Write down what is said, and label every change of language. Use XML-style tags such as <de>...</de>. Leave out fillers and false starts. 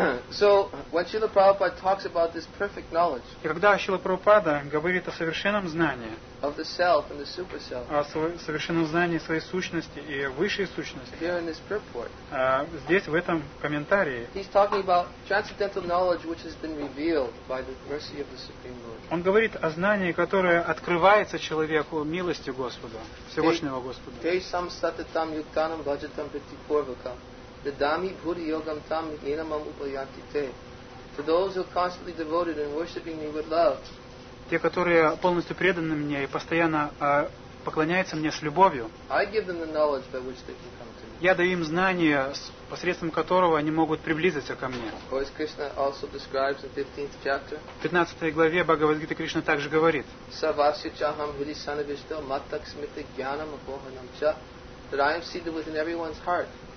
<en>So, when Srila Prabhupada talks about this perfect knowledge,</en> <ru>и когда Шрила Прабхупада говорит о совершенном знании,</ru> <en>of the self and the super self,</en> <ru>о совершенном знании своей сущности и высшей сущности,</ru> <en>here in this purport,</en> <ru>здесь в этом комментарии,</ru> <en>he's talking about transcendental knowledge which has been revealed by the mercy of the Supreme Lord.</en> <ru>Он говорит о знании, которое открывается человеку милостью Господа, Всевышнего Господа.</ru> <sa>Te sam satatam yuktanam bhajatam pratipurvakam. The dami bhuti yogam tam yena mam upayanti te.</sa> <en>For those who are constantly devoted and worshipping me with love.</en> <ru>Те, которые полностью преданы мне и постоянно поклоняются мне с любовью.</ru> <en>I give them the knowledge by which they can come to me.</en> <ru>Я даю им знания, посредством которого они могут приблизиться ко мне.</ru> <en>Or as Krishna also describes in 15th chapter.</en> <ru>В 15 главе Бхагавад-гиты Кришна также говорит.</ru> <sa>Savasya chaham hiri sanavishto matak smita jnanam apohanam cha.</sa> <en>That I am seated within everyone's heart.</en>